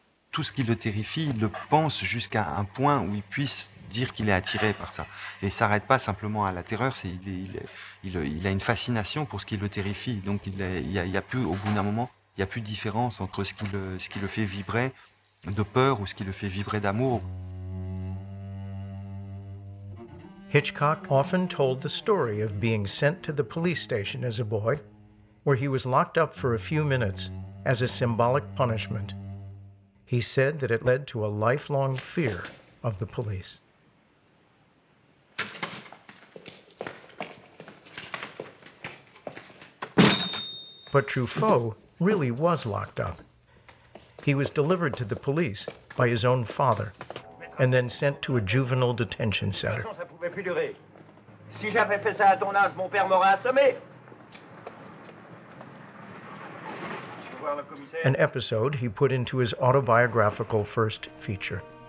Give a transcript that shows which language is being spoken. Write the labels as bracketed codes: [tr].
[fr] Tout ce qui le terrifie, le pense jusqu'à un point où il puisse dire qu'il est attiré par ça. Et il ne s'arrête pas simplement à la terreur, il a une fascination pour ce qui le terrifie. Donc au bout d'un moment, il n'y a plus de différence entre ce qui le fait vibrer de peur ou ce qui le fait vibrer d'amour. [en] Hitchcock often told the story of being sent to the police station as a boy, where he was locked up for a few minutes as a symbolic punishment. He said that it led to a lifelong fear of the police. But Truffaut really was locked up. He was delivered to the police by his own father and then sent to a juvenile detention center. [fr] Si j'avais fait ça à ton âge, mon père m'aurait assommé. [en] An episode he put into his autobiographical first feature.